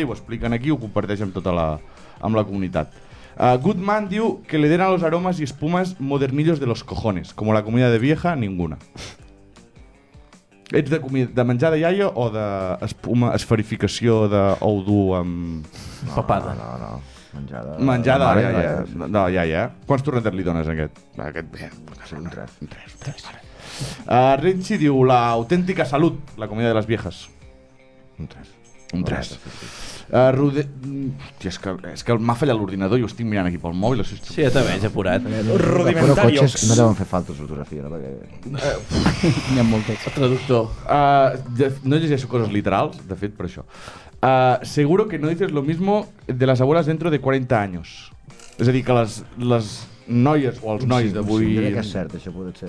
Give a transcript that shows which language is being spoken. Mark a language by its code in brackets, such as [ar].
[ca] Y ho expliquen aquí, ho comparteixen tota la, amb la comunitat. [es] Goodman diu que le den a los aromas y espumas modernillos de los cojones. Como la comida de vieja, ninguna. [ca] Ets de comida, de menjar de iaia o d'espuma, esferificació d'ou dur amb... No, papada. No, no, no. Menjar de... Menjar de iaia. De iaia, eh? Quants torrentes li dones a aquest? Aquest bé. Un 3. Un 3. Renchi diu l'autèntica salut, la comida de les viejas. Un 3. Un 3. Rude... Hòstia, és que m'ha fallat l'ordinador i ho estic mirant aquí pel mòbil. Això és... Sí, ja també, és apurat. Rudimentarios. No deuen fer falta fotografia, no? Perquè... N'hi ha moltes. El traductor. No llegeixo coses literals, de fet, per això. [es] Seguro que no dices lo mismo de las abuelas dentro de 40 años. [ca] És a dir, que les noies o els nois d'avui... Sí, jo crec que és cert, això pot ser.